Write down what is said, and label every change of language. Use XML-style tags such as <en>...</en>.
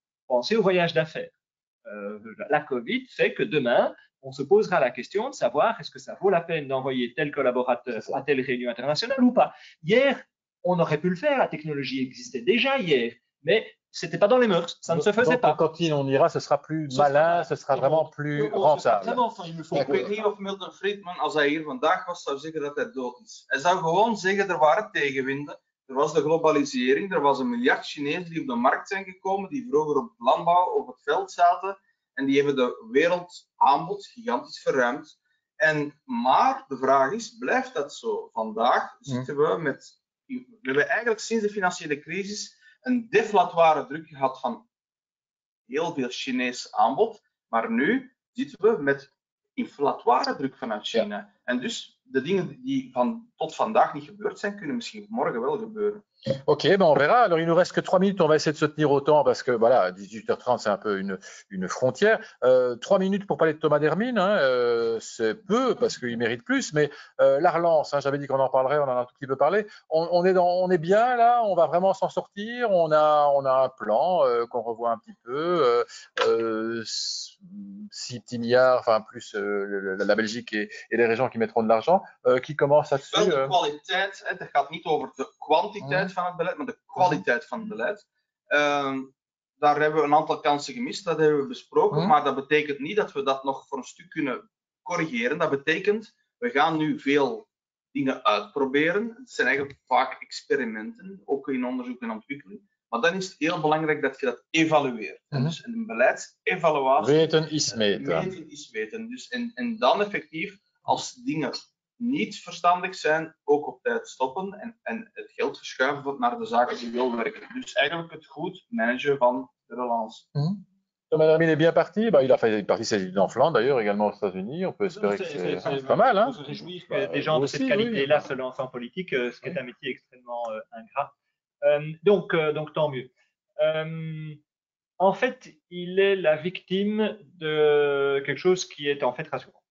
<fr>Pensez au voyage d'affaires. La COVID fait que demain, on se posera la question de savoir est-ce que ça vaut la peine d'envoyer tel collaborateur à telle réunion internationale ou pas. Hier, on aurait pu le faire, la technologie existait déjà hier, mais ce n'était pas dans les mœurs, ça ne se faisait pas. Donc, quand on ira, ce sera plus malin, ce sera vraiment plus rentable.</fr> <nl>Ik weet niet of Milton Friedman, als hij hier vandaag was, zou zeggen dat hij dood is. Hij zou gewoon zeggen, er waren tegenwinden. Er was de globalisering, er was 1 miljard Chinezen die op de markt zijn gekomen, die vroeger op landbouw op het veld zaten, en die hebben de wereldaanbod gigantisch verruimd. Maar de vraag is, blijft dat zo? Vandaag zitten we met... We hebben eigenlijk sinds de financiële crisis een deflatoire druk gehad van heel veel Chinees aanbod, maar nu zitten we met inflatoire druk vanuit China. Ja. En dus de dingen die tot vandaag niet gebeurd zijn, kunnen misschien morgen wel gebeuren.</nl> <fr>Ok, ben on verra. Alors, il nous reste que 3 minutes. On va essayer de se tenir au temps parce que voilà, 18h30, c'est un peu une frontière. 3 minutes pour parler de Thomas Dermine, hein, c'est peu parce qu'il mérite plus. Mais la relance, hein, j'avais dit qu'on en parlerait, on en a un tout petit peu parlé. On est bien là, on va vraiment s'en sortir. On a un plan qu'on revoit un petit peu. 6 petits milliards, enfin plus la Belgique et les régions qui mettront de l'argent. Qui commence à se faire. Bonne qualité, ça ne parle pas de quantité.</fr> <nl>Van het beleid, maar de kwaliteit van het beleid. Daar hebben we een aantal kansen gemist, dat hebben we besproken, maar dat betekent niet dat we dat nog voor een stuk kunnen corrigeren. Dat betekent, we gaan nu veel dingen uitproberen. Het zijn eigenlijk vaak experimenten, ook in onderzoek en ontwikkeling. Maar dan is het heel belangrijk dat je dat evalueert. Dus een beleidsevaluatie. Weten is meten. Weten is weten. Dus en dan effectief, als dingen niet verstandig zijn, ook op tijd stoppen en het geld verschuiven naar de zaken die wil werken. Dus eigenlijk het goed managen van de relance.</nl> <fr>Mm-hmm. Mme est bien partie. Bah, il a fait partie ses études en Flandre, d'ailleurs, également aux États-Unis. On peut espérer que c'est pas mal. Il faut se réjouir que des gens vous de cette aussi, qualité-là oui. se lancent en politique, ce qui Oui. est un métier extrêmement ingrat. Donc, tant mieux. En fait, il est la victime de quelque chose qui est en fait rassurant.</fr>